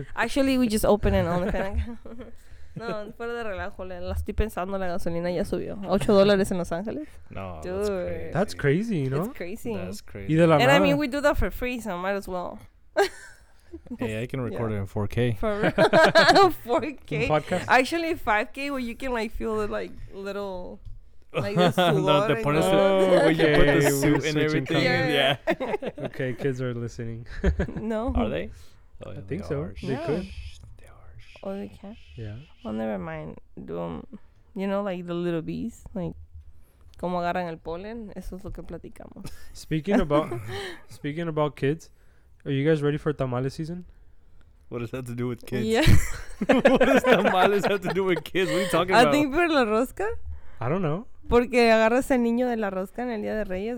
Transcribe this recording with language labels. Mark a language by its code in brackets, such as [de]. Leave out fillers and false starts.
[en] Actually, we just open it on the fan. [es] No, fuera de relajo, la estoy pensando, la gasolina ya subió. $8 en Los Ángeles. [en] No, dude, that's crazy. That's crazy, It's crazy. That's crazy. [es] ¿Y de la [en] and [es] nada? [en] I mean, we do that for free, so might as well. Hey, I can record it in 4K. For real? 4K? Podcast? Actually, 5K, where you can, like, feel the, like, little, like, the sudor. No, the where you put the suit and everything. Yeah. Okay, kids are listening. No. Are they? Oh, yeah, I think they so. Are. They yeah. could. Oh, they can? Yeah. Well, never mind. You know, like the little bees, like, [es] como agarran el polen, eso es lo que platicamos. [en] Speaking about kids, are you guys ready for tamale season? What does that have to do with kids? Yeah. What does tamales have to do with kids? What are you talking about? I think [es] por la rosca. [en] I don't know. [es] Porque agarras el niño de la rosca en el Día de Reyes.